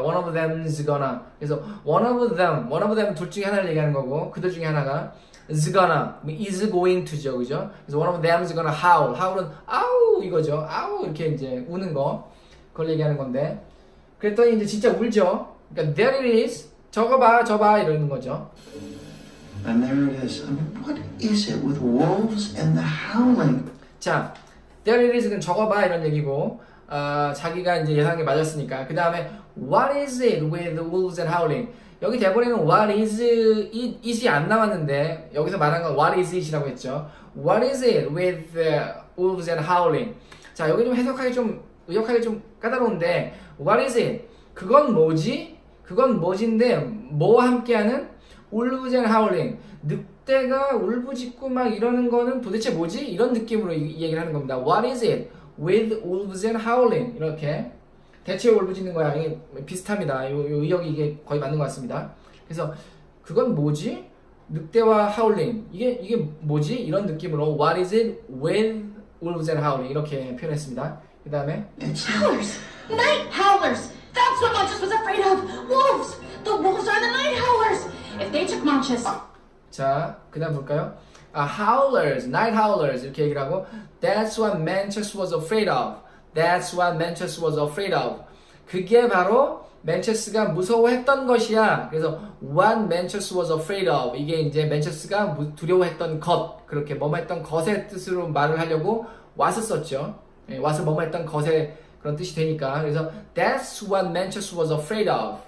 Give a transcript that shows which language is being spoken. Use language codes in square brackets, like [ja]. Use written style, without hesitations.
[en] One of them's gonna. [ko] 그래서 [en] one of them [ko] 둘 중에 하나를 얘기하는 거고, 그들 중에 하나가. [en] is gonna, is going to [ko] 죠, 그죠? 그래서 [en] one of them is gonna howl. [ko] howl은 아우 이거죠. 아우 이렇게 이제 우는 거. 그걸 얘기하는 건데. 그랬더니 이제 진짜 울죠. 그러니까 [en] there it is. [ko] 저거 봐 이러는 거죠. [en] And there it is. I mean, what is it with wolves and the howling? [ko] 자, [en] there it is [ko] 는 저거 봐 이런 얘기고 자기가 이제 예상한 게 맞았으니까. 그 다음에 [en] what is it with wolves and howling? [ko] 여기 대본에는 [en] what is it, is이 [ko] 안 나왔는데 여기서 말한 건 [en] what is it [ko] 이라고 했죠. [en] What is it with wolves and howling? [ko] 자, 여기 좀 해석하기 좀 역할이 좀 까다로운데 [en] What is it? [ko] 그건 뭐지? 그건 뭐진데 뭐와 함께하는? [en] Wolves and howling. [ko] 늑대가 울부짖고 막 이러는 거는 도대체 뭐지? 이런 느낌으로 얘기를 하는 겁니다. [en] What is it? With wolves and howling. [ko] 이렇게 대체 울부짖는 거야. 이게 비슷합니다. 요 의역이 이게 거의 맞는 것 같습니다. 그래서 그건 뭐지? 늑대와 하울링. 이게 뭐지? 이런 느낌으로 [en] What is it with wolves and howling? [ko] 이렇게 표현했습니다. 그 다음에 [en] It's howlers! Night howlers! That's what Montes was afraid of! Wolves! The wolves are the night howlers! If they took Montes... [ko] 자, 그 다음 볼까요? [en] Howlers, night howlers [ko] 이렇게 얘기를 하고 [en] That's what Montes was afraid of. That's what Montes was afraid of. [ko] 그게 바로 맨체스가 무서워했던 것이야. 그래서 [en] what Montes was afraid of [ko] 이게 이제 맨체스가 두려워했던 것 그렇게 뭐뭐했던 것의 뜻으로 말을 하려고 what 썼죠. 예, [en] what [ko] 뭐뭐했던 것의 그런 뜻이 되니까 그래서 [en] that's what Montes was afraid of.